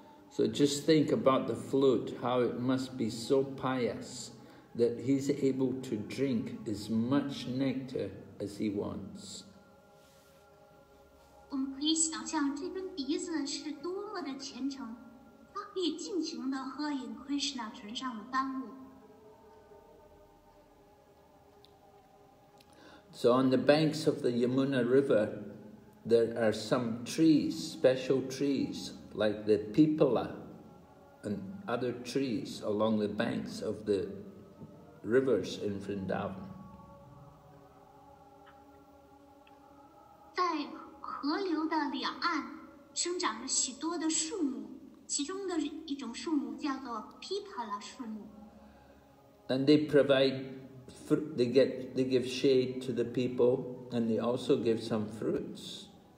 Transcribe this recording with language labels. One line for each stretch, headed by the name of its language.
English: So just think about the flute, how it must be so pious that he's able to drink as much nectar as he wants.
Chinese: 我们可以想象这根鼻子是多么的虔诚。可以尽情地喝饮 Krishna 唇上的甘露。
English: So on the banks of the Yamuna River, there are some trees, special trees, like the pipala and other trees along the banks of the rivers in Vrindavan.
Chinese: 在河流的两岸生长着许多的树木。
English: And they provide fruit, they give shade to the people, and they also give some fruits.